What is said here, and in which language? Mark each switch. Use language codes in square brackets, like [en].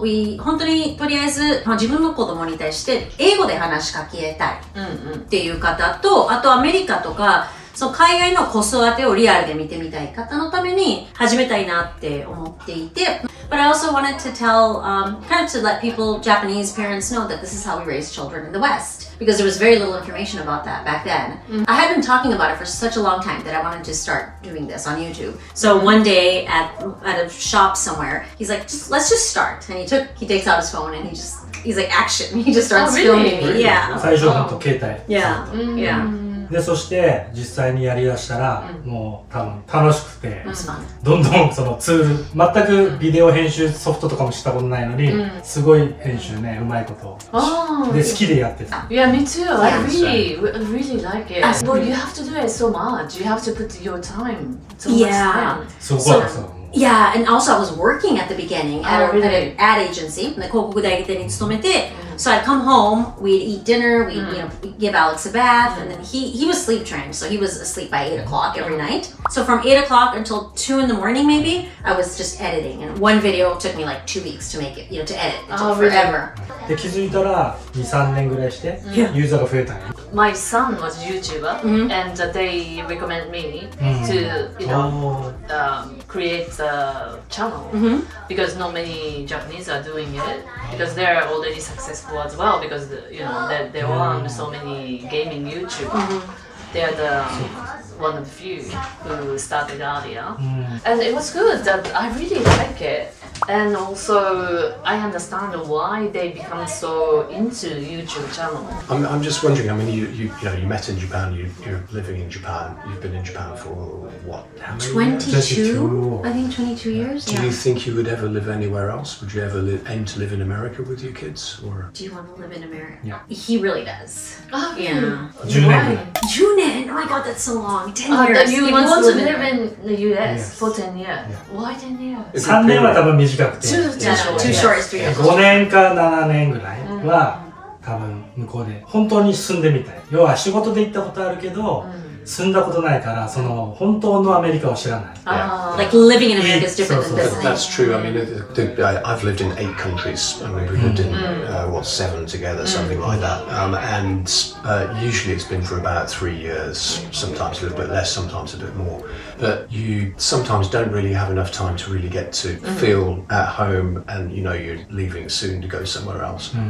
[ja] We 本当にとりあえず、まあ、自分の子供に対して英語で話しかけたいっていう方と、あとアメリカとか、その海外の子育てをリアルで見てみたい方のために始めたいなって思っていて。 [en] But I also wanted to tell, kind of to let people, Japanese parents know that this is how we raise children in the West. Because there was very little information about that back then. Mm-hmm. I had been talking about it for such a long time that I wanted to start doing this on YouTube. So one day at a shop somewhere, he's like, let's just start. And he takes out his phone and he's like, action. He just starts filming. Really? Yeah. [ja] 最初は本当、携帯。 [en] Yeah. [ja] で、そして実際にやりだしたら、もう多分楽しくて、どんどんそのツール、全くビデオ編集ソフトとかもしたことないのに、すごい編集ね、うまいこと。で、好きでやってた。 [en] いや、me too. I really like it. But you have to do it so much. You have to put your time so much. Yeah. [ja] そこはそう。 [en] Yeah, and also I was working at the beginning at, oh, really? at an ad agency, [ja] 広告代理店に勤めて、 [en] So I'd come home, we'd eat dinner, we'd you know, give Alex a bath, and then he was sleep trained, so he was asleep by 8 o'clock every night. So from 8 o'clock until 2 in the morning maybe, I was just editing, and one video took me like 2 weeks to make it, you know, to edit. It took forever. [ja] で、気づいたら2、3年ぐらいして、ユーザーが増えたね。 [en] My son was YouTuber, and they recommend me to, you know, create a channel, because not many Japanese are doing it, because they're already successful as well, because, you know, they own so many gaming YouTubers. They are the one of the few who started earlier. And it was good that I really like it. And also, I understand why they become so into YouTube channel. I'm just wondering, I mean, you met in Japan, you're living in Japan, you've been in Japan for what? How many 22? Years? 22? I think 22 years, Do you think you would ever live anywhere else? Would you ever aim to live in America with your kids? Or? Do you want to live in America? Yeah. He really does. Oh, yeah. [ja] Junin! [en] Oh my god, that's so long. 10 years. You want to live in the US for 10 years? Yeah. Why 10 years? 3 years [ja] は多分短くて。 [en] Too short is 3 [ja] years. 5年か7年ぐらいは多分向こうで本当に住んでみたい。要は仕事で行ったことあるけど、住んだことないから、その本当のアメリカを知らない。 [en] Like living in America is different than this. That's true. I mean, I've lived in 8 countries. I mean, we lived in, what, 7 together, something like that. And usually it's been for about 3 years. Sometimes a little bit less, sometimes a bit more. But you sometimes don't really have enough time to really get to feel at home and, you know, you're leaving soon to go somewhere else.